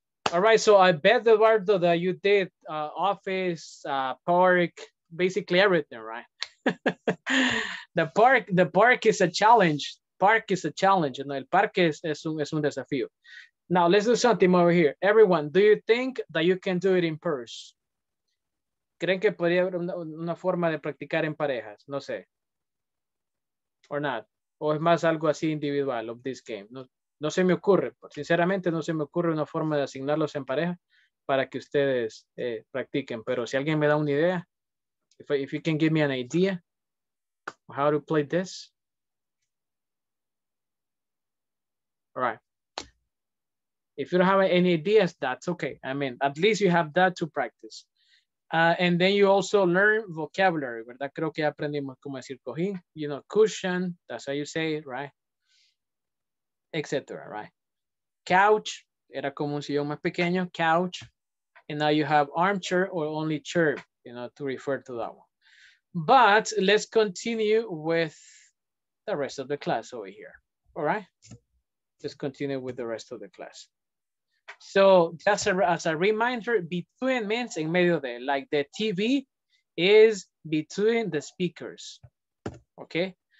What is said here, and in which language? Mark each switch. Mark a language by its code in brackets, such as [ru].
[en] All right, so I bet, Eduardo, that you did office, park, basically everything, right? the park is a challenge. Park is a challenge. [es] El parque es un desafío. [en] Now, let's do something over here. Everyone, do you think that you can do it in pairs? [es] ¿Creen que podría haber una forma de practicar en parejas? No sé. [en] Or not. [es] O es más algo así individual [en] of this game. [es] No se me ocurre. Sinceramente, no se me ocurre una forma de asignarlos en pareja para que ustedes practiquen. Pero si alguien me da una idea, [en] if you can give me an idea of how to play this. All right. If you don't have any ideas, that's okay. I mean, at least you have that to practice. And then you also learn vocabulary, [es] ¿verdad? Creo que aprendimos cómo decir cojín, [en] you know, cushion, that's how you say it, right? Etc., right? [es] Couch, era como un sillón más pequeño, couch. [en] And now you have armchair or only chair, you know, to refer to that one. But let's continue with the rest of the class over here, all right? Let's continue with the rest of the class. So just as a reminder, between means [es] en medio de, [en] like the TV is between the speakers, okay?